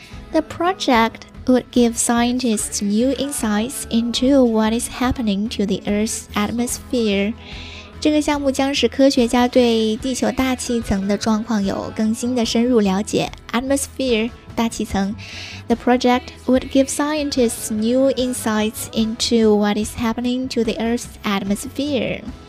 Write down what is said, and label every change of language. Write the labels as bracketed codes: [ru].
[en] The projectwould give scientists new insights into what is happening to the Earth's atmosphere. [zh] 这个项目将使科学家对地球大气层的状况有更新的深入了解。 Atmosphere, 大气层。 [en] The project would give scientists new insights into what is happening to the Earth's atmosphere.